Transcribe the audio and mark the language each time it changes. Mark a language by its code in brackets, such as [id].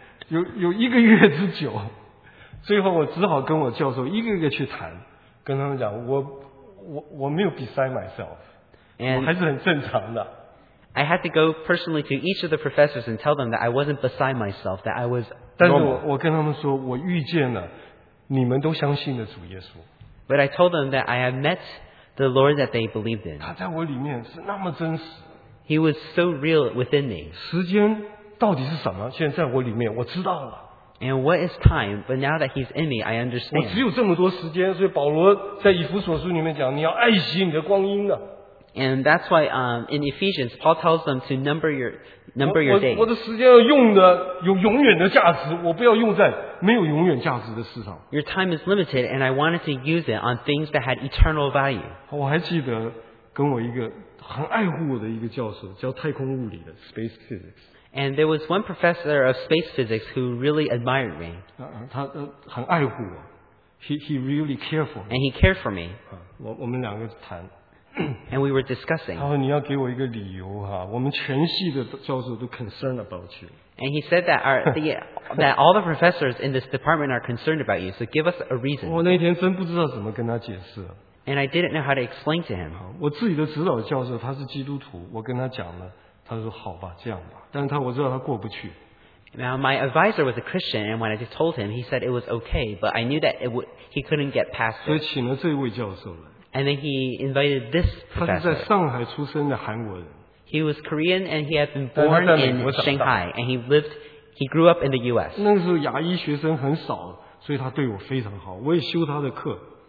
[zh] 有一个月之久，最后我只好跟我教授一个一个去谈。跟他们讲，我没有 [en] beside myself， and [zh] 我还是很正常的。 [en] I had to go personally to each of the professors and tell them that I wasn't beside myself, that I was normal. [zh] 但是我跟他们说，我遇见了你们都相信的主耶稣。 [en] But I told them that I have met the Lord that they believed in. [zh] 他在我里面是那么真实。 [en] He was so real within me. [zh] 时间到底是什么？现在在我里面，我知道了。 [en] And what is time? But now that he's in me, I understand. [zh] 我只有这么多时间，所以保罗在以弗所书里面讲，你要爱惜你的光阴啊。 [en] And that's why, in Ephesians, Paul tells them to number your days. [zh] 我的时间要用的有永远的价值，我不要用在没有永远价值的事上。 [en] Your time is limited, and I wanted to use it on things that had eternal value. [zh] 我还记得跟我一个很爱护我的一个教授，教太空物理的 ，space physics。 [en] And there was one professor of space physics who really admired me. [zh] 他很爱护我。 [en] He really cared for me. And he cared for me. [zh] 我们两个谈。 [en] And we were discussing. [zh] 他说你要给我一个理由哈，我们全系的教授都 [en] concerned about you. And he said that that all the professors in this department are concerned about you. So give us a reason. [zh] 我那天真不知道怎么跟他解释。 [en] And I didn't know how to explain to him. [zh] 我自己的指导教授他是基督徒，我跟他讲了。他说好吧，这样吧。但是他我知道他过不去。 [en] Now my advisor was a Christian, and when I just told him, he said it was okay, but I knew that he couldn't get past it. [zh] 所以请了这位教授来。 [en] And then he invited this professor. [zh] 他是在上海出生的韩国人。 [en] He was Korean, and he had been born in Shanghai, and he grew up in the U.S. [zh] 那时候牙医学生很少，所以他对我非常好，我也修他的课。